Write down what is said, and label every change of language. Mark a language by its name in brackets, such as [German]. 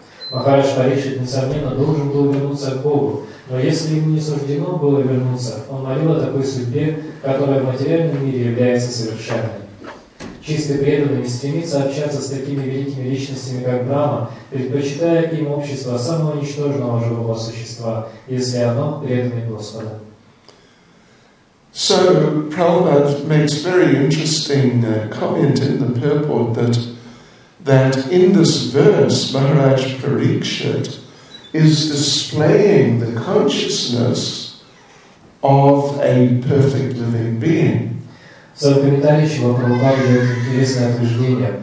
[Russian] Махарадж Парикшит, несомненно, должен был вернуться к Богу, но если ему не суждено было вернуться, он молил о такой судьбе, которая в материальном мире является совершенной. Чистый преданный стремится общаться с такими великими личностями, как Брахма, предпочитая им общество самого ничтожного живого существа, если оно преданный Господа. [English] So, Prabhupada makes very interesting comment in the purport that in this verse, Maharaj Parikshit is displaying the consciousness of a perfect living being. [Russian] So, в комментарии Шрила Прабхупада дает интересное утверждение.